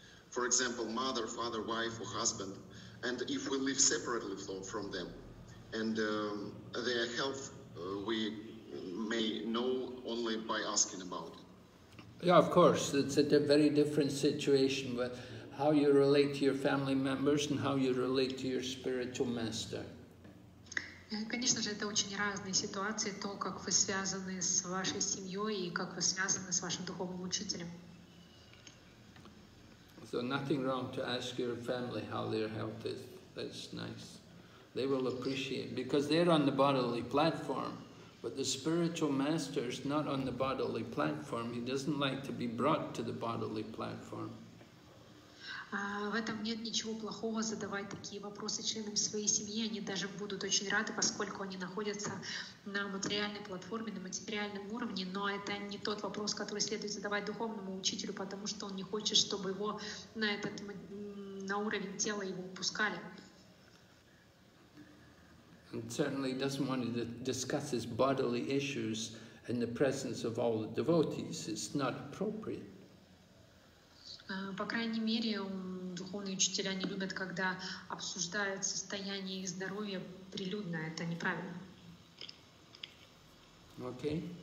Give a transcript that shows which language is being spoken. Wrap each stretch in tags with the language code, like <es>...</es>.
<en>For example, mother, father, wife, or husband, and if we live separately from them, and their health we may know only by asking about it. Yeah, of course, it's a very different situation, but how you relate to your family members and how you relate to your spiritual master.</en> <ru>Конечно же, это очень разные ситуации, то, как вы связаны с вашей семьей и как вы связаны с вашим духовным учителем.</ru> <en>So nothing wrong to ask your family how their health is. That's nice. They will appreciate, because they're on the bodily platform, but the spiritual master is not on the bodily platform. He doesn't like to be brought to the bodily platform.</en> <ru>В этом нет ничего плохого задавать такие вопросы членам своей семьи. Они даже будут очень рады, поскольку они находятся на материальной платформе, на материальном уровне. Но это не тот вопрос, который следует задавать духовному учителю, потому что он не хочет, чтобы его на этот на уровень тела его упускали.</ru> <en>And certainly doesn't want to discuss his bodily issues in the presence of all the devotees. It's not appropriate.</en> <ru>По крайней мере, духовные учителя не любят, когда обсуждают состояние их здоровья прилюдно. Это неправильно.</ru> <en>Okay.</en>